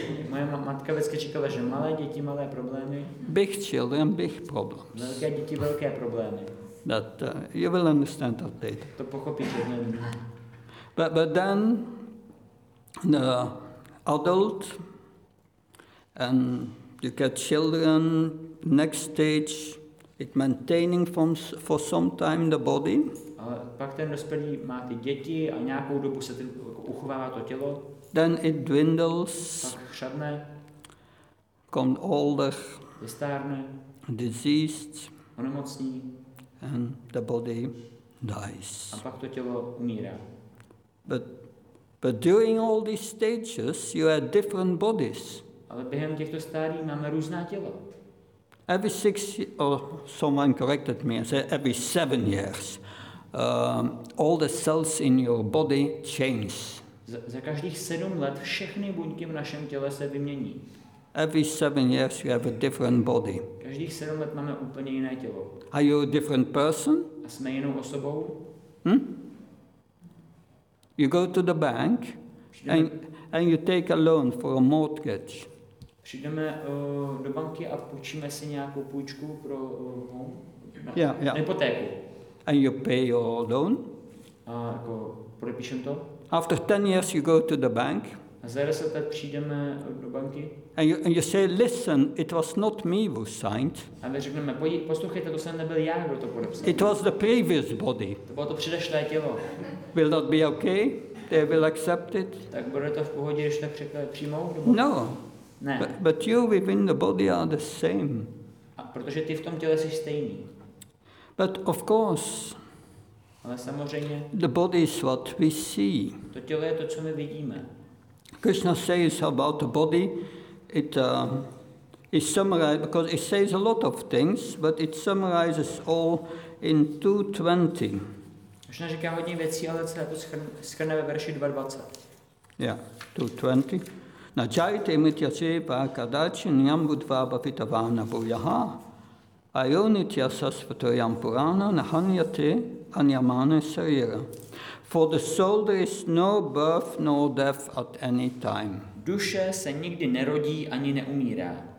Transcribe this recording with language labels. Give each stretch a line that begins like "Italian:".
Czech: Moje matka vždycky říkala, že malé děti, malé problémy.
English: Big children, big problems.
Czech: Velké děti, velké problémy.
English: That you will understand that later.
Czech: To pochopíte jednou.
English: But then the adult and you get children, next stage, it maintaining for some time the body.
Czech: Ale pak ten dospělý má ty děti a nějakou dobu se uchovává to tělo.
English: Then it dwindles.
Czech: Pak chřadne.
English: Come older.
Czech: Vystárne.
English: Diseased.
Czech: Onemocní.
English: And the body dies.
Czech: A pak to tělo umírá.
English: But during all these stages, you had different bodies.
Czech: Ale během těchto stádií máme různá těla.
English: Every 6 years, someone corrected me and said every 7 years, all the cells in your body change.
Czech: Za každých 7 let všechny buňky v našem těle se vymění.
English: Every 7 years you have a different body.
Czech: Každých 7 let máme úplně jiné tělo.
English: Are you a different person?
Czech: A jsme jinou osobou? Hmm?
English: You go to the bank and you take a loan for a mortgage.
Czech: Přijdeme do banky a půjčíme si nějakou půjčku pro home.
English: Yeah.
Czech: Hypotéku.
English: And you pay your loan?
Czech: A jako podepíšem to?
English: After 10 years you go to the bank.
Czech: A za 10 let přijdeme do banky.
English: And you say, listen, it was not me who signed.
Czech: A my řekneme, poslouchejte, to jsem nebyl já, kdo to podepsal.
English: It was the previous body.
Czech: To bylo to předešlé tělo.
English: Will that be okay? They will accept it?
Czech: Tak bude to v pohodě, když to přijmou?
English: No.
Czech: Ne.
English: But you within the body are the same.
Czech: A protože ty v tom těle jsi stejný.
English: But of course,
Czech: ale samozřejmě,
English: the body is what we see.
Czech: To tělo je to, co my vidíme.
English: Krishna says about the body, it is summarized, because it says a lot of things, but it summarizes all in 2:20.
Czech: Krishna říká hodně věcí, ale se to schrne ve verši 2:20.
English: Yeah, 2:20.
Sanskrit: Na jajte mitya cepa kadachi nyam budva bhavita vana bhujaha ayonitya sasvato yam purana nahanyate anyamane sarira.
English: For the soul there is no birth nor death at any time.
Czech: Duše se nikdy nerodí ani neumírá.